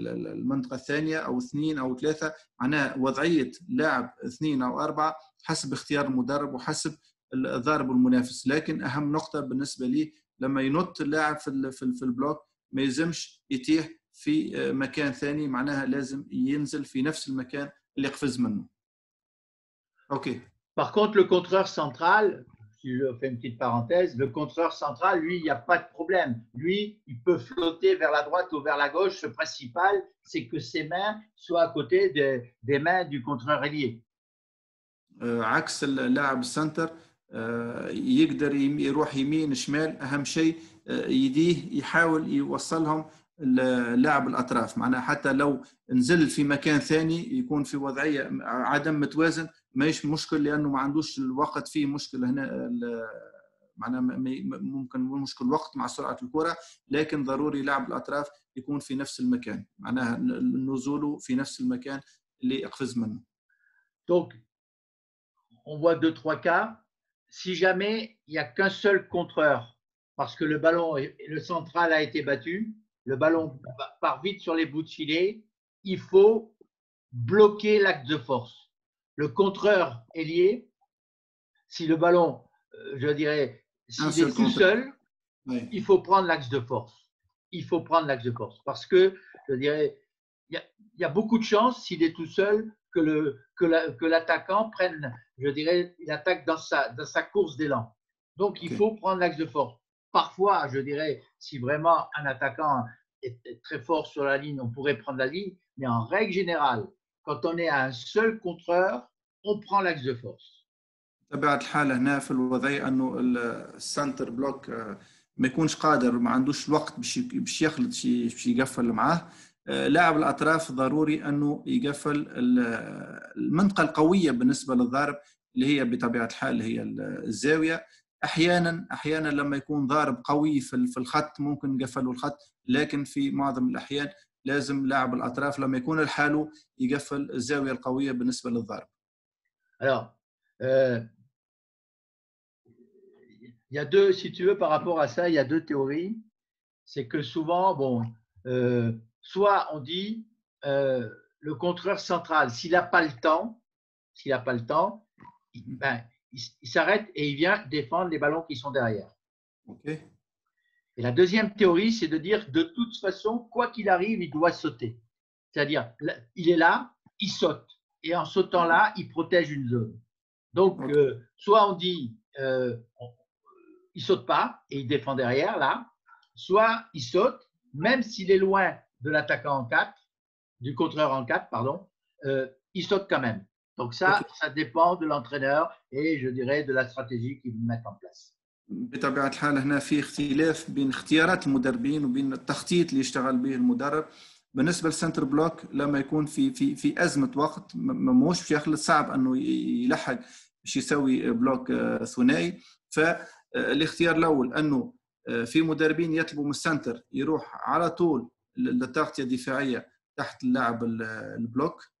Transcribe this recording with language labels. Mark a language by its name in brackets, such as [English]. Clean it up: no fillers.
[Arabic] المنطقة الثانية أو اثنين أو ثلاثة، معناها وضعية لاعب اثنين أو أربعة حسب اختيار المدرب وحسب الضارب والمنافس، لكن أهم نقطة بالنسبة لي لما ينط اللاعب في البلوك ما يلزمش يتيح في مكان ثاني معناها لازم ينزل في نفس المكان اللي قفز منه. [English] Okay. [French] Par contre, le contreur central, si je fais une petite parenthèse, le contreur central, lui, il n'y a pas de problème. Lui, il peut flotter vers la droite ou vers la gauche. Le principal, c'est que ses mains soient à côté des mains du contreur ailier. [Arabic] عكس اللاعب السنتر يقدر يروح يمين شمال، أهم شيء يديه يحاول يوصلهم اللاعب الأطراف معناه حتى لو نزل في مكان ثاني يكون في وضعية عدم متوازن ماش مشكل لأنه ما عندوش الوقت فيه مشكل هنا معناه ممكن مشكل وقت مع سرعة الكرة لكن ضروري لاعب الأطراف يكون في نفس المكان معناه نزوله في نفس المكان اللي أقفز منه. [French] Donc on voit deux trois cas si jamais il y a qu'un seul contreur parce que le ballon le central a été battu. Le ballon part vite sur les bouts de filet, il faut bloquer l'axe de force. Le contreur ailier, si le ballon, je dirais, s'il est tout seul, il faut prendre l'axe de force. Il faut prendre l'axe de force. Parce que, je dirais, il y a beaucoup de chances, s'il est tout seul, que l'attaquant prenne, je dirais, l'attaque dans sa course d'élan. Donc, il faut prendre l'axe de force. Parfois, je dirais, si vraiment un attaquant est très fort sur la ligne, on pourrait prendre la ligne. Mais en règle générale, quand on est à un seul contreur, on prend l'axe de force. [Arabic] تبعت الحالة هنا في الوضعية أنه السنتر بلوك ما يكونش قادر ما عندوش الوقت باش يخلط باش يقفل معاه. لاعب الأطراف ضروري أنه يقفل المنطقة القوية بالنسبة للضارب اللي هي بطبيعة الحال هي الزاوية. احيانا لما يكون ضارب قوي في الخط ممكن يقفلوا الخط لكن في معظم الاحيان لازم لاعب الاطراف لما يكون الحاله يقفل الزاويه القويه بالنسبه للضارب. [French] Alors il y a deux si tu veux par rapport à ça il y a deux théories c'est que souvent bon soit on dit le contreur central s'il a pas le temps ben il s'arrête et il vient défendre les ballons qui sont derrière. [English] Okay. [French] Et la deuxième théorie, c'est de dire de toute façon, quoi qu'il arrive, il doit sauter. C'est-à-dire, il est là, il saute. Et en sautant là, il protège une zone. Donc, okay. Soit on dit il ne saute pas et il défend derrière, là. Soit il saute, même s'il est loin de l'attaquant en 4, du contreur en 4, pardon, il saute quand même. Donc ça, ça dépend de l'entraîneur et je dirais de la stratégie qu'il met en place. [Arabic] بطبيعة الحال هنا في اختلاف بين اختيارات المدربين وبين التخطيط اللي يشتغل به المدرب. بالنسبة للسنتر بلوك لما يكون في أزمة وقت ماهوش باش يخلص صعب أنه يلحق باش يسوي بلوك ثنائي. فالاختيار الأول أنه في مدربين يطلبوا من السنتر يروح على طول للتغطية الدفاعية تحت اللاعب البلوك.